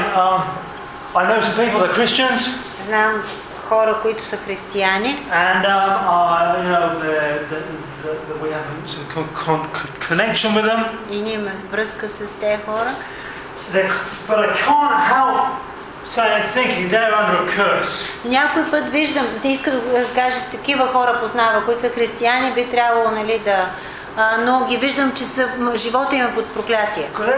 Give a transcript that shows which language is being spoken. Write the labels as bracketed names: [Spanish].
[English] I know some people that are Christians. [Bulgarian] Знам хора, които са християни. [English] And you know that we have some connection with them. [Bulgarian] И ние имаме връзка с тези хора. [English] But I can't help saying thinking they're under a curse. [Bulgarian] Някой път виждам, ти иска да кажеш такива хора познава, които са християни, би трябвало, нали, да, но ги виждам, че са, живота им е под проклятие.